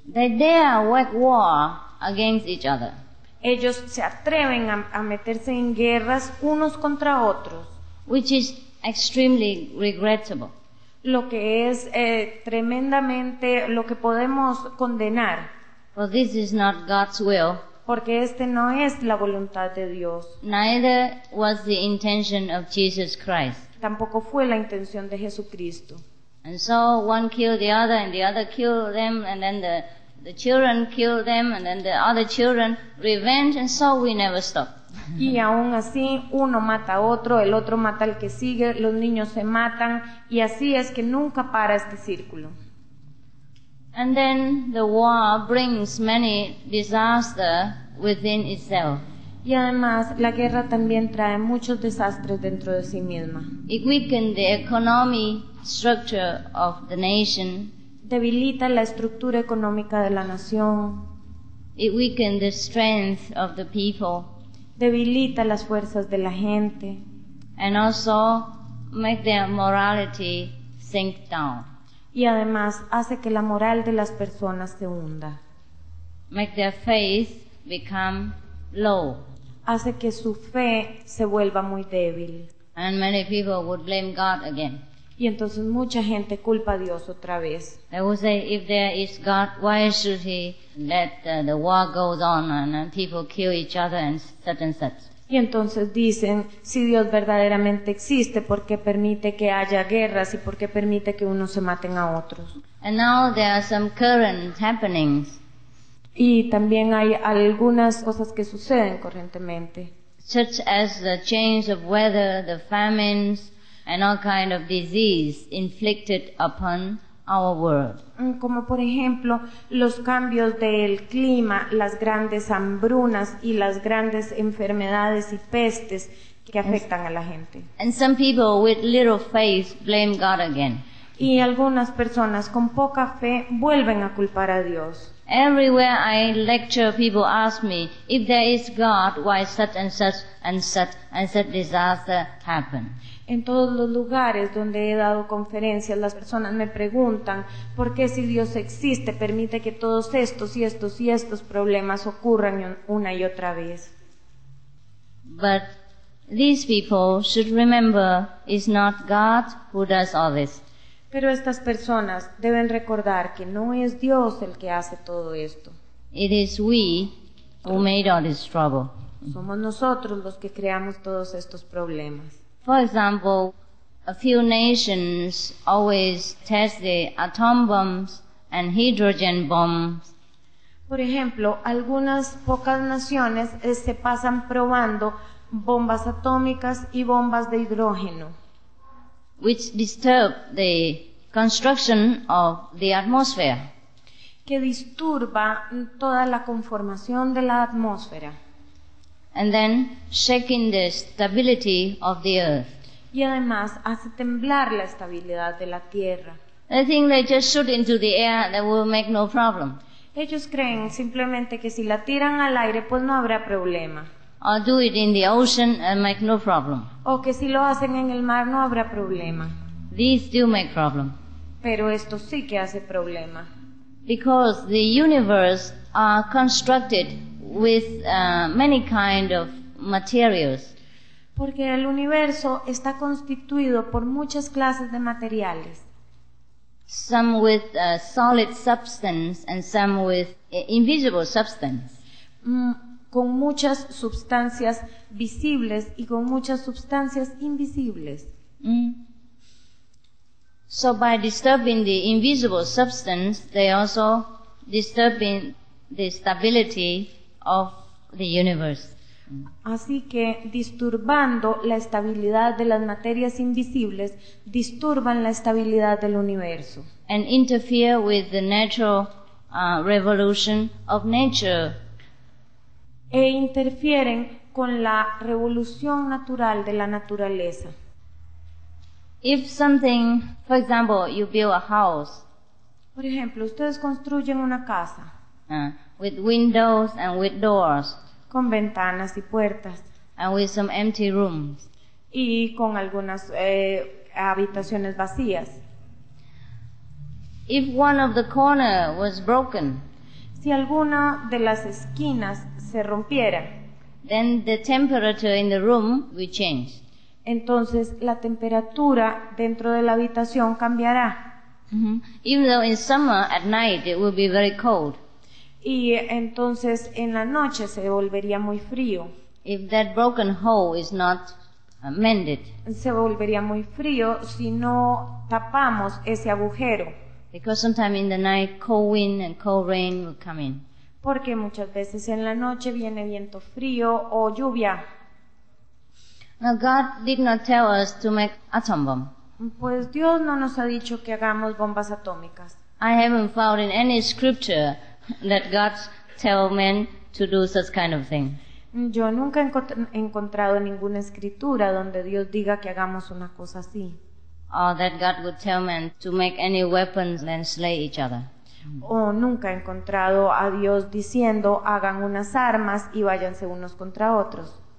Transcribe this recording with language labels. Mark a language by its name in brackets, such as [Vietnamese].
[English] they dare wage war against each other. [Spanish] Ellos se atreven a meterse en guerras unos contra otros, [English] which is extremely regrettable. [Spanish] Lo que es tremendamente lo que podemos condenar. [English] For this is not God's will. [Spanish] Porque este no es la voluntad de Dios. [English] Neither was the intention of Jesus Christ. [Spanish] Tampoco fue la intención de Jesucristo. [English] And so one killed the other and the other killed them and then the children killed them and then the other children revenge and so we never stop. [Spanish] Y aún así uno mata a otro, el otro mata al que sigue, los niños se matan y así es que nunca para este círculo. [English] And then the war brings many disasters within itself. [Spanish] Y además, la guerra también trae muchos desastres dentro de sí misma. [English] It weakens the economy structure of the nation. [Spanish] Debilita la estructura económica de la nación. [English] It weakens the strength of the people. [Spanish] Debilita las fuerzas de la gente. [English] And also make their morality sink down. [Spanish] Y además hace que la moral de las personas se hunda. [English] Make their faith become low. [Spanish] Hace que su fe se vuelva muy débil. [English] And many people would blame God again. [Spanish] Y entonces mucha gente culpa a Dios otra vez. [English] They would say, if there is God, why should he let the war goes on and people kill each other and such and such. [Spanish] Y entonces dicen, si Dios verdaderamente existe, ¿por qué permite que haya guerras y por qué permite que unos se maten a otros? [English] And now there are some current happenings. [Spanish] Y también hay algunas cosas que suceden corrientemente. [English] Such as the change of weather, the famines, and all kind of disease inflicted upon our world. [Spanish] Como por ejemplo, los cambios del clima, las grandes hambrunas y las grandes enfermedades y pestes que afectan a la gente. [English] And some people with little faith blame God again. [Spanish] Y algunas personas con poca fe vuelven a culpar a Dios. [English] Everywhere I lecture, people ask me, if there is God, why such and such and such and such disaster happened? [Spanish] En todos los lugares donde he dado conferencias, las personas me preguntan, ¿por qué si Dios existe, permite que todos estos y estos y estos problemas ocurran una y otra vez? [English] But these people should remember, it's not God who does all this. [Spanish] Pero estas personas deben recordar que no es Dios el que hace todo esto. [English] It is we who made all this trouble. [Spanish] Somos nosotros los que creamos todos estos problemas. [English] For example, a few nations always test the atom bombs and hydrogen bombs. [Spanish] Por ejemplo, algunas pocas naciones se pasan probando bombas atómicas y bombas de hidrógeno. [English] Which disturb the construction of the atmosphere. [Spanish] Que disturba toda la conformación de la atmósfera. [English] And then shaking the stability of the earth. [Spanish] Y además hace temblar la estabilidad de la tierra. [English] They think they just shoot into the air that will make no problem. [Spanish] Ellos creen simplemente que si la tiran al aire pues no habrá problema. [English] Or do it in the ocean and make no problem. [Spanish] O que si lo hacen en el mar no habrá problema. [English] These do make problem. [Spanish] Pero esto sí que hace problema. [English] Because the universe are constructed with many kind of materials. [Spanish] Porque el universo está constituido por muchas clases de materiales. [English] Some with a solid substance and some with invisible substance. [Spanish] Con muchas sustancias visibles y con muchas sustancias invisibles. [English] So by disturbing the invisible substance, they also disturbing the stability of the universe. [Spanish] Así que disturbando la estabilidad de las materias invisibles, disturban la estabilidad del universo. [English] And interfere with the natural revolution of nature. [Spanish] E interfieren con la revolución natural de la naturaleza. [English] If something, for example, you build a house. [Spanish] Por ejemplo, ustedes construyen una casa. [English] With windows and with doors. [Spanish] Con ventanas y puertas. [English] And with some empty rooms. [Spanish] Y con algunas habitaciones vacías. [English] If one of the corner was broken. [Spanish] Si alguna de las esquinas se rompiera, [English] then the temperature in the room will change. [Spanish] Entonces la temperatura dentro de la habitación cambiará. [English] Even though in summer at night it will be very cold. [Spanish] Y entonces en la noche se volvería muy frío. [English] If that broken hole is not mended. [Spanish] Se volvería muy frío si no tapamos ese agujero. [English] Because sometimes in the night cold wind and cold rain will come in. [Spanish] Porque muchas veces en la noche viene viento frío o lluvia. [English] Now God did not tell us to make atom bomb. [Spanish] Pues Dios no nos ha dicho que hagamos bombas atómicas. [English] I haven't found in any scripture that God tells men to do such kind of thing. [Spanish] Yo nunca he encontrado ninguna escritura donde Dios diga que hagamos una cosa así. [English] Or that God would tell men to make any weapons and slay each other. [Spanish] O nunca he encontrado a Dios diciendo hagan unas armas y váyanse unos contra otros.